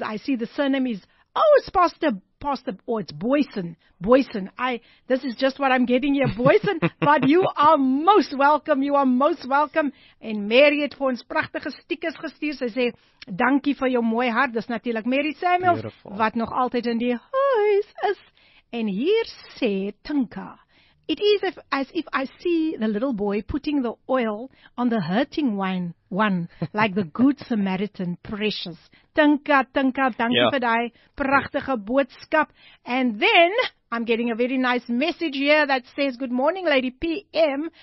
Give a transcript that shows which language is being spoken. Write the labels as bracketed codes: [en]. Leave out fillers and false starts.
[en] I see the surname is, it's Pastor, it's Boyson. Boyson, this is just what I'm getting here, Boyson. But you are most welcome. You are most welcome. [af] En Mary het vir ons prachtige stickers gestuur. Sy sê, dankie vir jou mooi hart. Dis natuurlijk Mary Samuels, [en] beautiful, [af] wat nog altyd in die huis is. [en] And here say Tanka, it is as if I see the little boy putting the oil on the hurting one, like the good Samaritan, precious. Tanka, Tanka, thank you for thy [af] prachtige boodskap. [en] And then I'm getting a very nice message here that says, good morning, Lady PM.